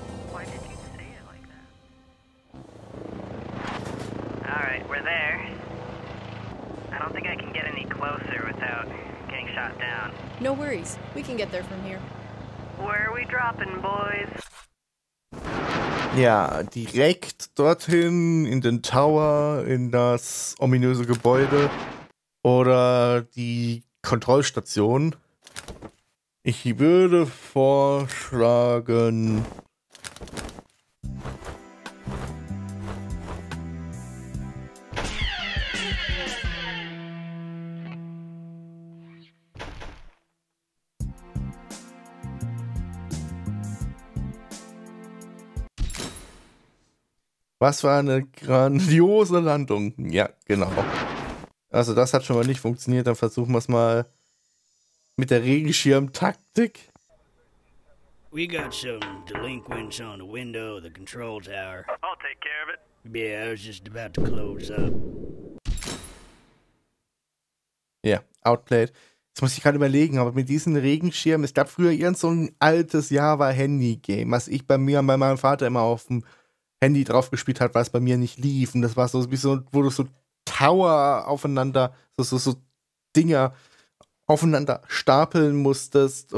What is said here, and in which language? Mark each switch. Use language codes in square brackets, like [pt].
[en] Why did you say it like that? Alright, we're there. I don't think I can get any closer without getting shot down. No worries. We can get there from here. Where are we dropping, boys? [de] Ja, direkt dorthin in den Tower, in das ominöse Gebäude oder die Kontrollstation. Ich würde vorschlagen, Was für eine grandiose Landung. Ja, genau. Also das hat schon mal nicht funktioniert. Dann versuchen wir es mal mit der Regenschirmtaktik. [en] We got some delinquents on the window of the control tower. I'll take care of it. Yeah, I was just about to close up. Ja, yeah, outplayed. [de] Jetzt muss ich gerade überlegen, aber mit diesen Regenschirmen, es gab früher irgend so ein altes Java-Handy-Game, was ich bei mir und bei meinem Vater immer auf dem Handy drauf gespielt hat, weil es bei mir nicht lief. Und das war so, wie so, wo du so Tower aufeinander, so Dinger aufeinander stapeln musstest.